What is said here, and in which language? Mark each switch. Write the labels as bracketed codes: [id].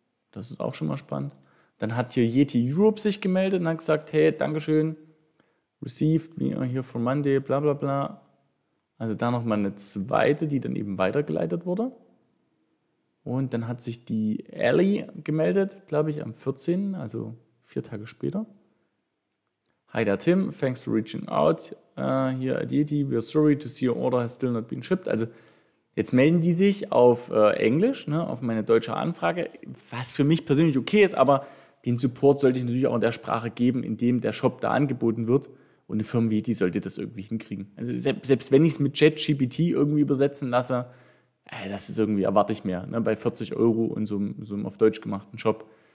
[de] Das ist auch schon mal spannend. Dann hat hier Yeti Europe sich gemeldet und hat gesagt, hey, Dankeschön, [en] received, we are here for Monday, bla bla [de] bla. Also da nochmal eine zweite, die dann eben weitergeleitet wurde. Und dann hat sich die Ellie gemeldet, glaube ich, am 14., also 4 Tage später. [en] Hi there, Tim, thanks for reaching out here at Yeti. We are sorry to see your order has still not been shipped. [de] Also jetzt melden die sich auf Englisch, ne, auf meine deutsche Anfrage, was für mich persönlich okay ist, aber den Support sollte ich natürlich auch in der Sprache geben, in dem der Shop da angeboten wird. Und eine Firma wie Yeti sollte das irgendwie hinkriegen. Also selbst wenn ich es mit ChatGPT irgendwie übersetzen lasse, das ist irgendwie, erwarte ich mehr, ne, bei 40 Euro und so einem auf Deutsch gemachten Shop.